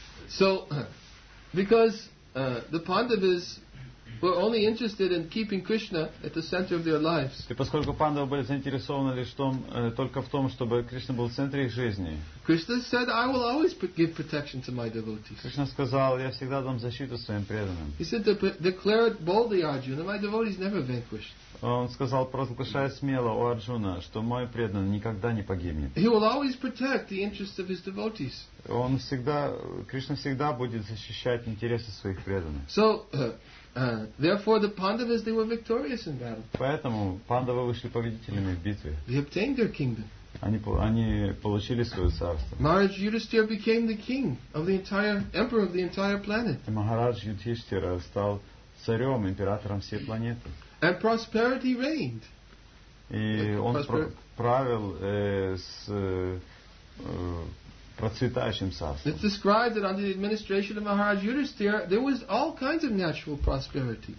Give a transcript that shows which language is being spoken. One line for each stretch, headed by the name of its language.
English: So, because the Pandavas were only interested in keeping Krishna at the center of their lives.
Russian: И поскольку пандавы были заинтересованы лишь в том, только в том, чтобы Кришна был в центре их жизни.
English: Krishna said, "I will always give protection to my devotees."
Russian: Кришна сказал, я всегда дам защиту своим преданным.
English: He said, "Declared boldly, Arjuna, my devotees never vanquished."
Russian: Он сказал, провозглашая смело, о Арджуна, что мой преданный никогда не погибнет.
English: He will always protect the interests of his devotees.
Russian: Он всегда, Кришна всегда будет защищать интересы своих преданных.
English: So, therefore, the Pandavas, they were victorious in battle.
Russian: Поэтому пандавы вышли победителями в битве.
English: They obtained their kingdom.
Russian: Они получили свое царство.
English: Maharaj Yudhishthira became the king of the entire emperor of the entire planet.
Russian: И Махарадж Юдхиштхира стал царем, императором всей планеты.
English: And prosperity reigned.
Russian: И он правил с процветающим царством.
English: It's described that under the administration of Maharaj Yudhishthira, there was all kinds of natural prosperity.